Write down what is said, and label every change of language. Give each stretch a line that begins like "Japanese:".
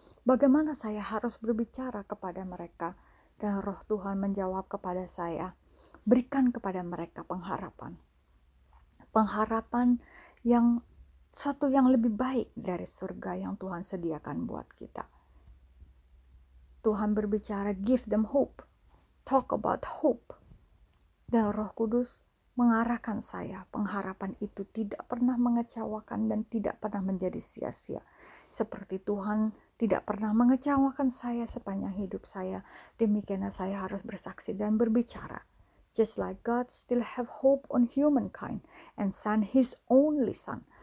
Indonesian: Bagaimana saya harus berbicara kepada mereka? Dan Roh Tuhan menjawab kepada saya, berikan kepada mereka pengharapan. Pengharapan yang suatu yang lebih baik dari surga yang Tuhan sediakan buat kita. Tuhan berbicara,
English: give them hope, talk about hope.
Indonesian: Dan Roh Kudus mengarahkan saya, pengharapan itu tidak pernah mengecewakan dan tidak pernah menjadi sia-sia. Seperti Tuhan tidak pernah mengecewakan saya sepanjang hidup saya, demikianlah saya harus bersaksi dan berbicara.
English: Just like God still have hope on humankind and send his only son.